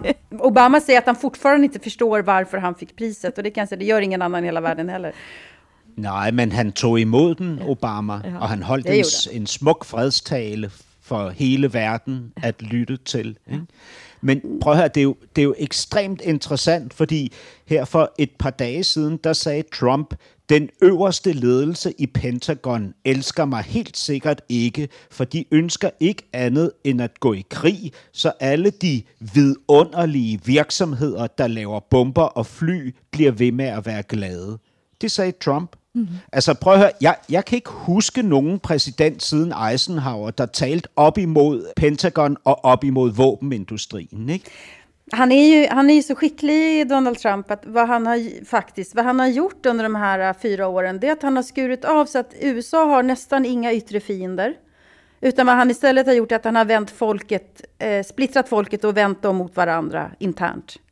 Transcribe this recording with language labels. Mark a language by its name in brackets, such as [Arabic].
[Swedish] Obama säger att han fortfarande inte förstår varför han fick priset. Och det kanske det gör ingen annan i hela världen heller. Nej, men han tog emot den, Obama. Och han höll en [Danish] smuk fredstale [Swedish] för hela världen att lyssna till. [Danish] Men prøv her, det er jo ekstremt interessant, fordi her for et par dage siden, der sagde Trump, den øverste ledelse i Pentagon elsker mig helt sikkert ikke, for de ønsker ikke andet end at gå i krig, så alle de vidunderlige virksomheder, der laver bomber og fly, bliver ved med at være glade. Det sagde Trump. Mm-hmm. Altså prøv at høre, jeg kan ikke huske nogen præsident siden Eisenhower, der talte op imod Pentagon og op imod våbenindustrien, ikke? [Swedish] Han är ju så skicklig, Donald Trump, att vad han har gjort under de här 4 åren, det är att han har skurit av så att USA har nästan inga yttre fiender, utan vad han istället har gjort är att han har vänt folket, splittrat folket och vänt dem mot varandra internt.